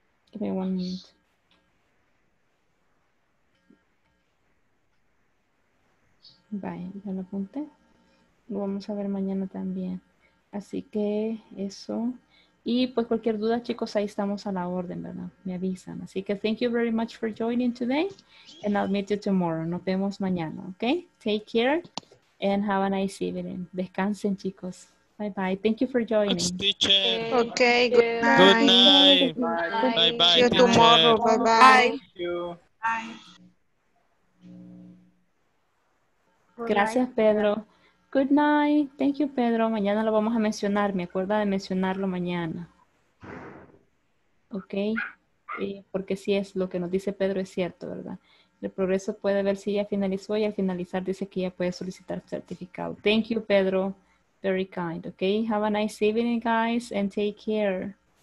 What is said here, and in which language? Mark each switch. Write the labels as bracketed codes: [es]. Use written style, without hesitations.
[en] Give me one minute. [es] Bye, ya lo apunté. Lo vamos a ver mañana también. Así que eso. Y pues cualquier duda, chicos, ahí estamos a la orden, ¿verdad? Me avisan. Así que [en] thank you very much for joining today. And I'll meet you tomorrow. [es] Nos vemos mañana, ¿ok? [en] Take care and have a nice evening. [es] Descansen, chicos. [en] Bye bye. Thank you for joining. Thanks, teacher. Okay, good night. Good night. Bye bye. See you tomorrow. Bye bye. Thank you. Bye. [es] Gracias, Pedro. [en] Good night. Thank you, Pedro. [es] Mañana lo vamos a mencionar. Me acuerda de mencionarlo mañana. Ok. Porque sí es lo que nos dice Pedro, es cierto, ¿verdad? El progreso puede ver si ya finalizó y al finalizar dice que ya puede solicitar certificado. [en] Thank you, Pedro. Very kind. Ok. Have a nice evening, guys, and take care.